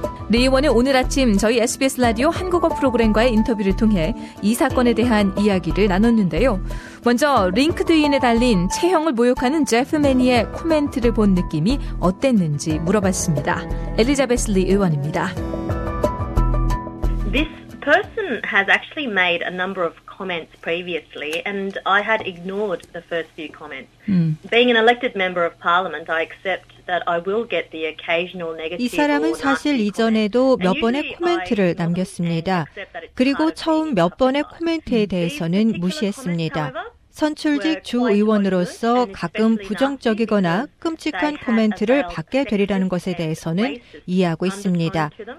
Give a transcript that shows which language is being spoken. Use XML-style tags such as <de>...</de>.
<ko>리 의원은 오늘 아침 저희 SBS 라디오 한국어 프로그램과의 인터뷰를 통해 이 사건에 대한 이야기를 나눴는데요. 먼저 링크드인에 달린 체형을 모욕하는 제프 매니의 코멘트를 본 느낌이 어땠는지 물어봤습니다. 엘리자베스 리 의원입니다.</ko> <en>This person has actually made a number of comments previously and I had ignored the first few comments. Being an elected member of parliament, I accept that I will get the occasional negative.</en> <ko>이 사람은 사실 이전에도 몇 번의 코멘트를 남겼습니다. 그리고 처음 몇 번의 코멘트에 대해서는 무시했습니다. 선출직 주 의원으로서 가끔 부정적이거나 끔찍한 코멘트를 받게 되리라는 것에 대해서는 이해하고 있습니다.</ko>